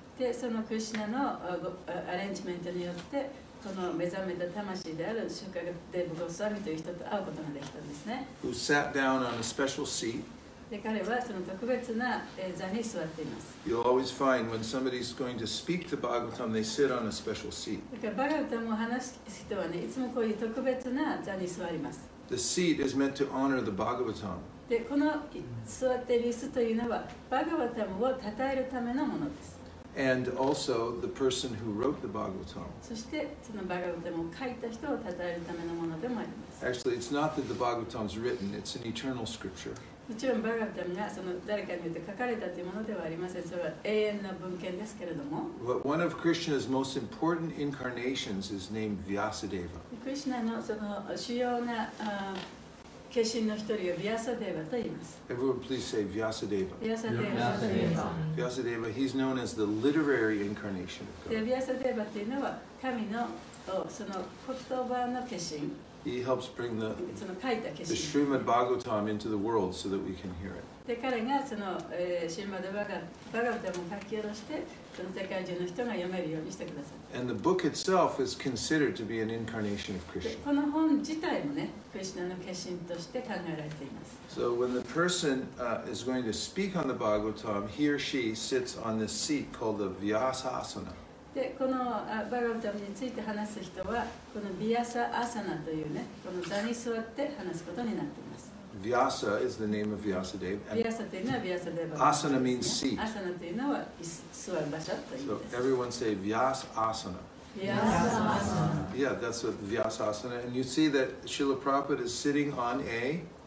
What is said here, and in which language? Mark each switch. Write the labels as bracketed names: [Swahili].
[Japanese] で、そのクリシナのアレンジメントによって、この目覚めた魂であるシュカデブゴスワミという人と会うことができたんですね。 [English] Who sat down on a special seat. [Japanese] で、彼はその特別な座に座っています。 [English] You'll always find when somebody's going to speak to Bhagavatam, they sit on a special seat. [Japanese] だからバガヴァタムを話す人はね、いつもこういう特別な座に座ります。 [English] The seat is meant to honor the Bhagavatam. [Japanese] で、この座っている椅子というのは、バガヴァタムを称えるためのものです。 [English] And also the person who wrote the Bhagavatam. [Japanese] そしてそのバガヴァタムを書いた人を称えるためのものでもあります。 [English] Actually, it's not that the Bhagavatam is written; it's an eternal scripture. [Japanese] もちろんバガヴァタムがその誰かによって書かれたというものではありません。それは永遠の文献ですけれども。 [English] But one of Krishna's most important incarnations is named Vyasadeva. [Japanese] クリシナのその主要な化身の一人をヴィアサデーヴァと言います。 [English] Everyone please say Vyasadeva. Vyasadeva. Vyasadeva, he's known as the literary incarnation of God. [Japanese] Vyasadeva というのは神のその言葉の化身。 [English] He helps bring the, [Japanese] その書いた化身。 [English] The Srimad Bhagavatam into the world so that we can hear it. [Japanese] で、彼がその、Srimad Bhagavatam を書き下ろして、その世界中の人が読めるようにしてください。 [English] And the book itself is considered to be an incarnation of Krishna. [Japanese] この本自体もね、クリシナの化身として考えられています。 [English] So when the person is going to speak on the Bhagavatam, he or she sits on this seat called the Vyasasana. [Japanese] で、このバガヴァタムについて話す人は、このヴィアサアサナというね、この座に座って話すことになっています。 [English] Vyasa is the name of Vyasadeva. Asana means seat. [Japanese] Asana というのは座る場所という意味です。 [English] So everyone say Vyasasana. Vyasasana. Yeah, that's a Vyasasana. And you see that Srila Prabhupada is sitting on a...